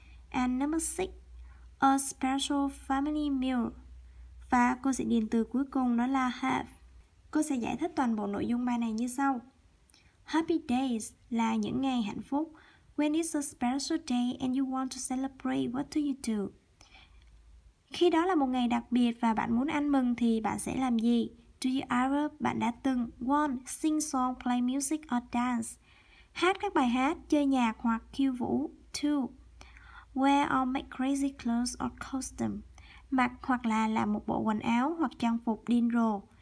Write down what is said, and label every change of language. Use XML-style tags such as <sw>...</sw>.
<en>And number 6, a special family meal.</en> <vi>Và cô sẽ điền từ cuối cùng đó là have. Cô sẽ giải thích toàn bộ nội dung bài này như sau. Happy days là những ngày hạnh phúc.</vi> <en>When it's a special day and you want to celebrate, what do you do?</en> <vi>Khi đó là một ngày đặc biệt và bạn muốn ăn mừng thì bạn sẽ làm gì? Do you ever, bạn đã từng one, sing song, play music or dance, hát các bài hát, chơi nhạc hoặc khiêu vũ. Two, wear or make crazy clothes or costume, mặc hoặc là làm một bộ quần áo hoặc trang phục điên rồ.</vi>